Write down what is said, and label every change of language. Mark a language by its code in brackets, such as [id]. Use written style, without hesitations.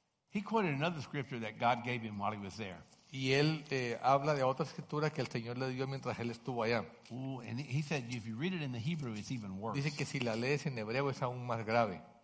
[en] He quoted another scripture that God gave him while he was there. [es] Y él habla de otra escritura que el Señor le dio mientras él estuvo allá. [en] Ooh, and he said, if you read it in the Hebrew, it's even worse. [es] Dice que si la lees en hebreo es aún más grave.